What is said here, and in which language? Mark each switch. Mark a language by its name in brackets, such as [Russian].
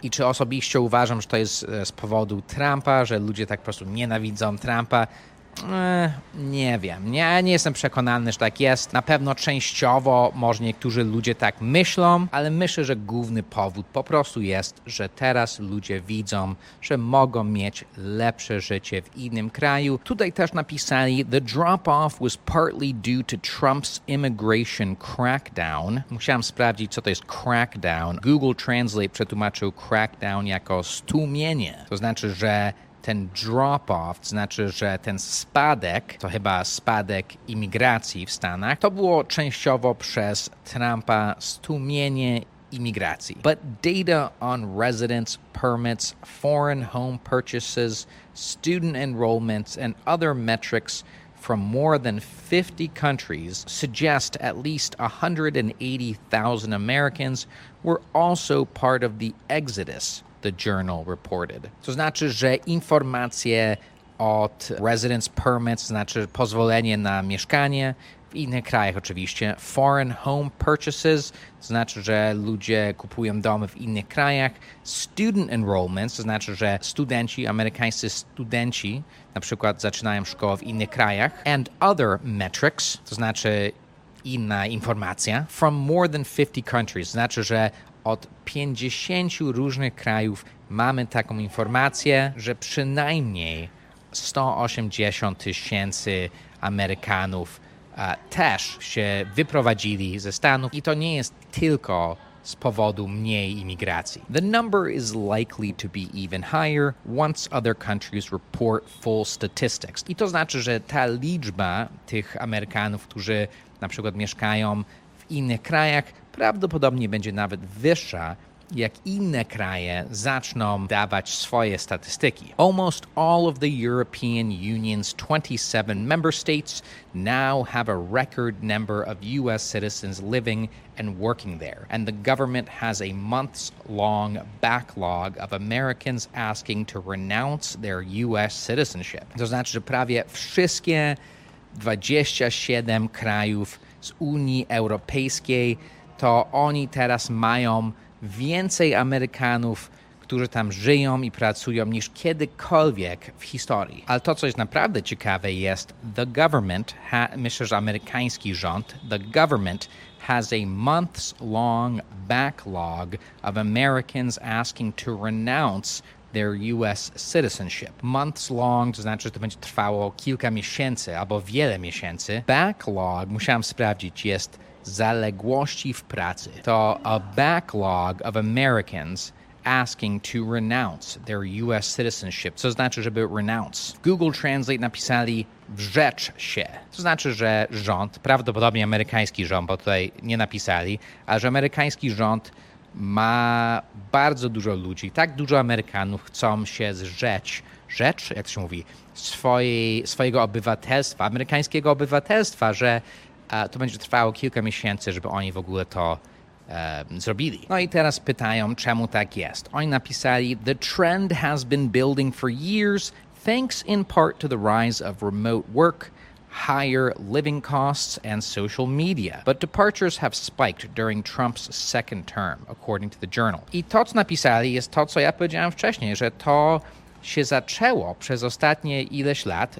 [Polish] I czy osobiście uważam, że to jest z powodu Trumpa, że ludzie tak po prostu nienawidzą Trumpa? Nie wiem. Nie jestem przekonany, że tak jest. Na pewno częściowo może niektórzy ludzie tak myślą, ale myślę, że główny powód po prostu jest, że teraz ludzie widzą, że mogą mieć lepsze życie w innym kraju. Tutaj też napisali, [English] the drop-off was partly due to Trump's immigration crackdown. [Polish] Musiałem sprawdzić, co to jest crackdown. Google Translate przetłumaczył crackdown jako stłumienie. To znaczy, że ten drop-off, to znaczy, że ten spadek, to chyba spadek imigracji w Stanach, to było częściowo przez Trumpa stłumienie imigracji. [English] But data on residence permits, foreign home purchases, student enrollments, and other metrics from more than 50 countries suggest at least 180,000 Americans were also part of the exodus, the journal reported. [Polish] To znaczy, że informacje od [English] residence permits, [Polish] znaczy pozwolenie na mieszkanie w innych krajach oczywiście, [English] foreign home purchases, [Polish] to znaczy, że ludzie kupują domy w innych krajach, [English] student enrollments, [Polish] to znaczy, że studenci, amerykańscy studenci na przykład zaczynają szkołę w innych krajach, [English] and other metrics, [Polish] to znaczy inna informacja, [English] from more than 50 countries, [Polish] to znaczy, że od 50 różnych krajów mamy taką informację, że przynajmniej 180 tysięcy Amerykanów też się wyprowadzili ze Stanów i to nie jest tylko z powodu mniej imigracji. [English] The number is likely to be even higher once other countries report full statistics. [Polish] I to znaczy, że ta liczba tych Amerykanów, którzy na przykład mieszkają w innych krajach, prawdopodobnie będzie nawet wyższa, jak inne kraje zaczną dawać swoje statystyki. [English] Almost all of the European Union's 27 member states now have a record number of US citizens living and working there. And the government has a months-long backlog of Americans asking to renounce their US citizenship. [Polish] To znaczy, że prawie wszystkie 27 krajów z Unii Europejskiej to oni teraz mają więcej Amerykanów, którzy tam żyją i pracują, niż kiedykolwiek w historii. Ale to, co jest naprawdę ciekawe, jest [English] the government, [Polish] myślę, że amerykański rząd, [English] the government has a months-long backlog of Americans asking to renounce their U.S. citizenship. [Polish] Months-long, to znaczy, że to będzie trwało kilka miesięcy albo wiele miesięcy. Backlog, musiałem sprawdzić, jest zaległości w pracy. [English] To a backlog of Americans asking to renounce their U.S. citizenship. [Polish] Co znaczy, żeby renounce? W Google Translate napisali wrzecz się. Co znaczy, że rząd, prawdopodobnie amerykański rząd, bo tutaj nie napisali, a że amerykański rząd ma bardzo dużo ludzi, tak dużo Amerykanów chcą się zrzeć, rzecz, jak to się mówi, swojego obywatelstwa, amerykańskiego obywatelstwa, że to będzie trwało kilka miesięcy, żeby oni w ogóle to zrobili. No i teraz pytają, czemu tak jest. Oni napisali, [English] the trend has been building for years, thanks in part to the rise of remote work, higher living costs, and social media. But departures have spiked during Trump's second term, according to the journal. [Polish] I to, co napisali, jest to, co ja powiedziałem wcześniej, że to się zaczęło przez ostatnie ileś lat.